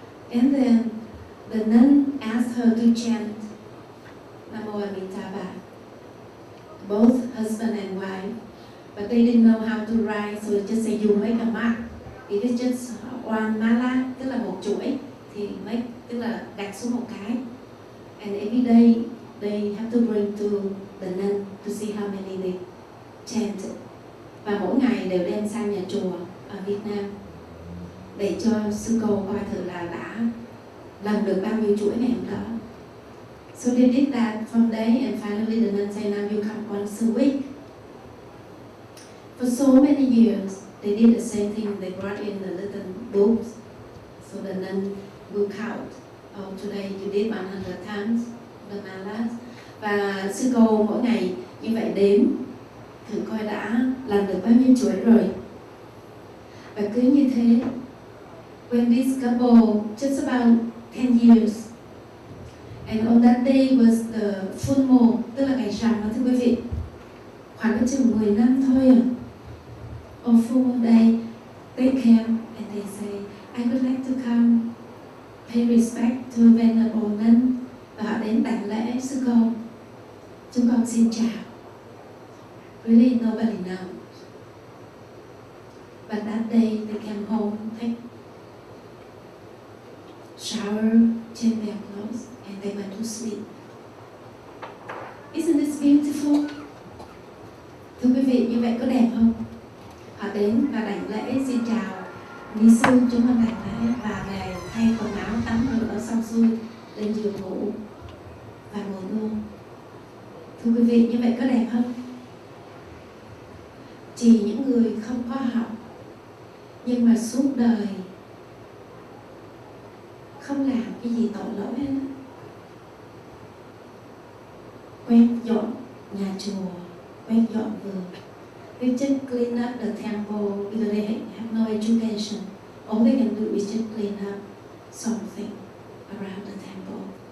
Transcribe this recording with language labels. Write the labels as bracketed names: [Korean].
[English] And then the nun asked her to chant Namo Amitabha, both husband and wife, but they didn't know how to write, so just say you make a mark. It is just one mala, [Vietnamese] tức là một chuỗi, thì make, tức là đặt xuống một cái. [English] And every day they have to bring to the nun to see how many they chant. [Vietnamese] Và mỗi ngày đều đem sang nhà chùa ở Việt Nam để cho sư cô coi thử là đã làm được bao nhiêu chuỗi ngày hôm đó. [English] So they did that from day, and finally the nun say, now you come once a week. For so many years, they did the same thing. They brought in the little books, so the nun will count. Oh, today you did 100 times the malas. [Vietnamese] Và sư cô mỗi ngày như vậy đếm thử coi đã làm được bao nhiêu chuỗi rồi. Và cứ như thế, [English] when this couple just about 10 years, and on that day was the full moon, [Vietnamese] tức là ngày rằm đó thưa quý vị, khoảng chừng 10 năm thôi à. [English] On full moon day, they came and they say, I would like to come pay respect to Venerable Nun. [Vietnamese] Và họ đến đảnh lễ sư cô. Chúng con xin chào. [English] Really nobody knows. But that day they came home, take shower, change their clothes, and they went to sleep. Isn't this beautiful? [Vietnamese] Thưa quý vị, như vậy có đẹp không? Họ đến và đảnh lễ xin chào ni sư, chúng con đảnh lễ và về thay quần áo tắm rửa xong xuôi lên giường ngủ và ngủ luôn. Thưa quý vị, như vậy có đẹp không? Chỉ những người không có học nhưng mà suốt đời không làm cái gì tội lỗi hết, quét dọn nhà chùa, quét dọn vườn, [English] they just clean up the temple because they have no education. All they can do is just clean up something around the temple.